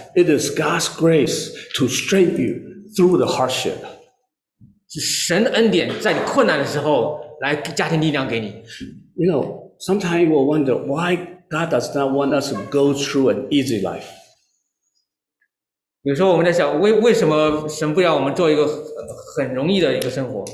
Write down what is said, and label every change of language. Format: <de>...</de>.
<en>It is God's grace to strengthen you through the hardship.</en> <zh>是神的恩典在你困难的时候来加添力量给你。</zh> <en>You know, sometimes we wonder why God does not want us to go through an easy life.</en> <zh>有时候我们在想，为什么神不要我们做一个很容易的一个生活</zh>